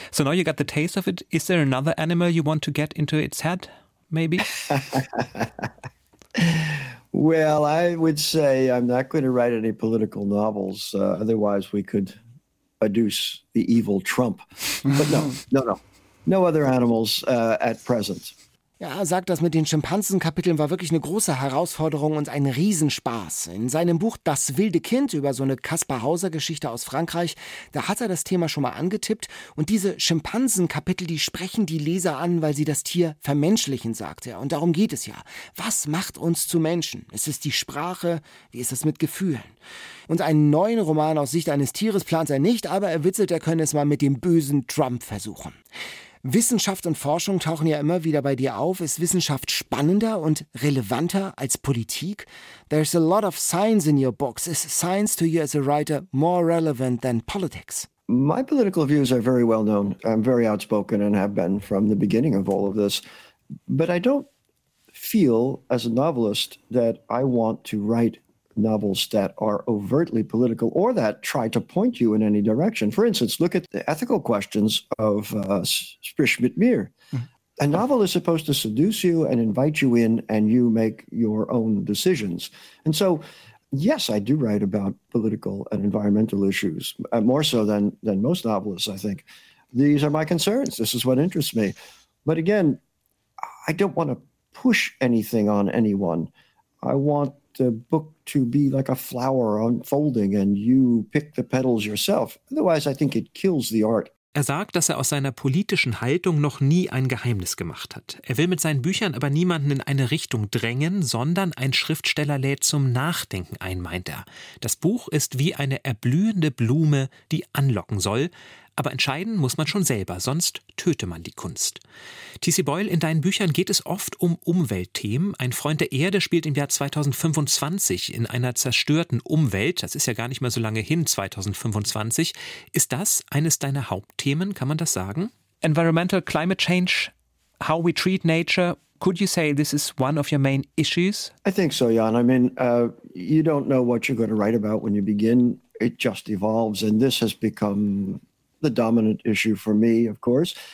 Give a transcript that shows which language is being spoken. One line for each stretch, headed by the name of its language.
English: So now you got the taste of it. Is there another animal you want to get into its head, maybe? Well, I would say I'm not going to write any political novels. Otherwise, we could adduce the evil Trump. But no. No other animals at present.
German: Ja, er sagt, das mit den Schimpansen-Kapiteln war wirklich eine große Herausforderung und ein Riesenspaß. In seinem Buch Das wilde Kind über so eine Kaspar-Hauser-Geschichte aus Frankreich, da hat er das Thema schon mal angetippt. Und diese Schimpansen-Kapitel, die sprechen die Leser an, weil sie das Tier vermenschlichen, sagt er. Und darum geht es ja. Was macht uns zu Menschen? Ist es die Sprache? Wie ist es mit Gefühlen? Und einen neuen Roman aus Sicht eines Tieres plant er nicht, aber er witzelt, er könne es mal mit dem bösen Trump versuchen. Wissenschaft und Forschung tauchen ja immer wieder bei dir auf. Ist Wissenschaft spannender und relevanter als Politik?
English: There's a lot of science in your books. Is science to you as a writer more relevant than politics? My political views are very well known. I'm very outspoken and have been from the beginning of all of this. But I don't feel, as a novelist, that I want to write novels that are overtly political or that try to point you in any direction. For instance, look at the ethical questions of Spree Schmidt-Meer. Mm-hmm. A novel is supposed to seduce you and invite you in, and you make your own decisions. And so, yes, I do write about political and environmental issues, more so than most novelists, I think. These are my concerns. This is what interests me. But again, I don't want to push anything on anyone. I want the book to be like a flower unfolding and you pick the petals yourself. Otherwise, I think it kills the art.
German: Er sagt, dass er aus seiner politischen Haltung noch nie ein Geheimnis gemacht hat. Er will mit seinen Büchern aber niemanden in eine Richtung drängen, sondern ein Schriftsteller lädt zum Nachdenken ein, meint er. Das Buch ist wie eine erblühende Blume, die anlocken soll. Aber entscheiden muss man schon selber, sonst töte man die Kunst. T.C. Boyle, in deinen Büchern geht es oft um Umweltthemen. Ein Freund der Erde spielt im Jahr 2025 in einer zerstörten Umwelt. Das ist ja gar nicht mehr so lange hin, 2025. Ist das eines deiner Hauptthemen, kann man das sagen?
English: Environmental climate change, how we treat nature. Could you say this is one of your main issues? I think so, Jan. I mean, you don't know what you're going to write about when you begin. It just evolves and this has become the dominant issue for me, of course.